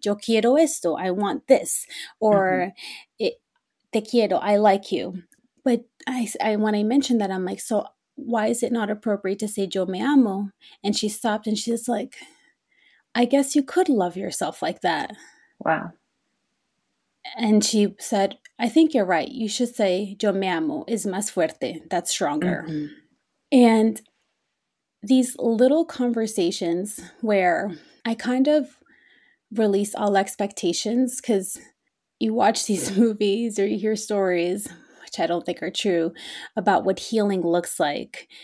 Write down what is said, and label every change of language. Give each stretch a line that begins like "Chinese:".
Spanish: Yo quiero esto.
English: I want this. Or
Spanish: te quiero.
English: I like you. But I when I mentioned that, I'm like, so why is it not appropriate to say
Spanish: yo me amo?
English: And she stopped and she's like, I guess you could love yourself like that. Wow. And she said, I think you're right. You should say,
Spanish: yo me amo, es más fuerte.
English: That's stronger. And these little conversations where I kind of release all expectations because you watch these movies or you hear stories, which I don't think are true, about what healing looks like.